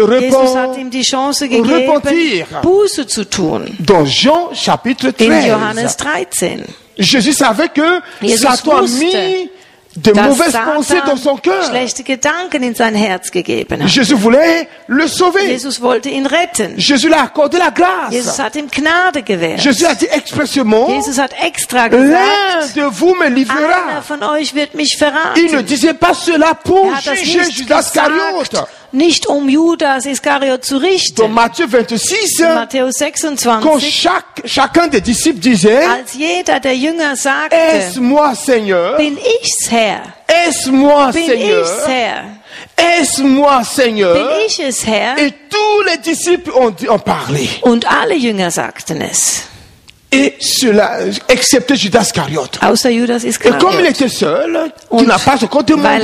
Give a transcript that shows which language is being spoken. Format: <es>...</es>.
<de>Jesus hat ihm die Chance gegeben, Buße zu tun.</de> <fr>Dans Jean, chapitre 13.</fr> <de>In Johannes 13.</de> <fr>Jésus savait que Satan a mis de mauvaises pensées dans son cœur.</fr> <de>Schlechte Gedanken in sein Herz gegeben.</de> <fr>Jésus voulait le sauver.</fr> <de>Jesus wollte ihn retten.</de> <fr>Jésus lui a accordé la grâce.</fr> <de>Jesus hat ihm Gnade gewährt.</de> <fr>Jésus a dit expressément.</fr> <de>Jesus hat extra gesagt.</de> <fr>L'un de vous me livrera.</fr> <de>Einer von euch wird mich verraten.</de> <fr>Il ne disait pas cela pour juger Judas</fr> <de>Iscariot. Nicht um Judas Iscariot zu richten.</de> <fr>Dans Matthieu 26,</fr> <de>in Matthäus 26,</de> <fr>quand chacun des disciples disait,</fr> <de>als jeder der Jünger sagte,</de> <fr>Est-moi, Seigneur,</fr> <de>bin ich's Herr.</de> <fr>Est-moi,</fr> <de>bin</de> <fr>Seigneur.</fr> <de>Ich's Herr.</de> <fr>Est-moi, Seigneur.</fr> <de>Bin ich es Herr.</de> <fr>Et tous les disciples ont parlé.</fr> <de>Und alle Jünger sagten es.</de> <fr>Et cela, excepté Judas Iscariot.</fr> <de>Außer Judas Iscariot.</de> <fr>Et comme il était seul, il n'a pas encore demandé.</fr>